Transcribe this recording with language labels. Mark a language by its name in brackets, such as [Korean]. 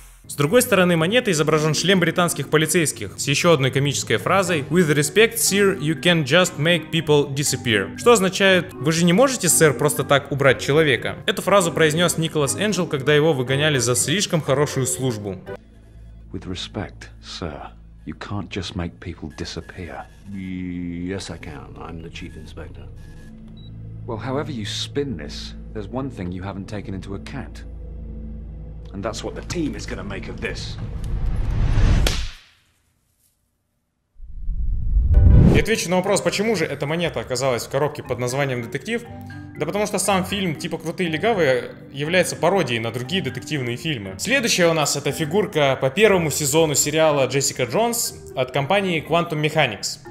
[Russian] С другой стороны монеты изображен шлем британских полицейских с еще одной комической фразой [English] «With respect, sir, you can just make people disappear», [Russian] что означает «Вы же не можете, сэр, просто так убрать человека?» Эту фразу произнес Николас Энджел, когда его выгоняли за слишком хорошую службу. [English] With respect, sir, you can't just make people disappear. Yes, I can. I'm the chief inspector. Well, however you spin this, there's one thing you haven't taken into account. And that's what the team is gonna make of this. [Russian] Я отвечу на вопрос, почему же эта монета оказалась в коробке под названием «Детектив»? Да потому что сам фильм типа «Крутые легавые» является пародией на другие детективные фильмы. Следующая у нас это фигурка по первому сезону сериала «Джессика Джонс» от компании Quantum Mechanics.